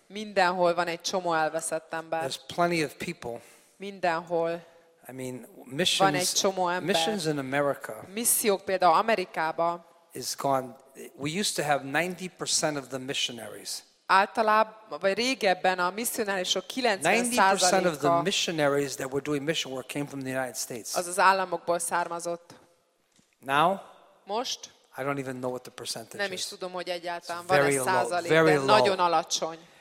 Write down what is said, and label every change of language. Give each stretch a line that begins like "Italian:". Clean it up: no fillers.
Hungarian: Mindenhol van egy csomó elveszett ember.
English: There's plenty of people.
Hungarian: Mindenhol.
English: I mean, missions.
Hungarian: Van egy csomó ember.
English: Missions in America.
Hungarian: Missziók például Amerikában.
English: Is gone. We used to have 90% of the missionaries.
Hungarian: Általában, vagy régebben a misszionárisok 90%-a.
English: 90% of the missionaries that were doing mission work came from the United States.
Hungarian: Az államokból származott.
English: Now?
Hungarian: Most?
English: I don't even know what the percentage
Hungarian: nem
English: is.
Hungarian: Nem is tudom, hogy egyáltalán van-e százalék, de nagyon alacsony.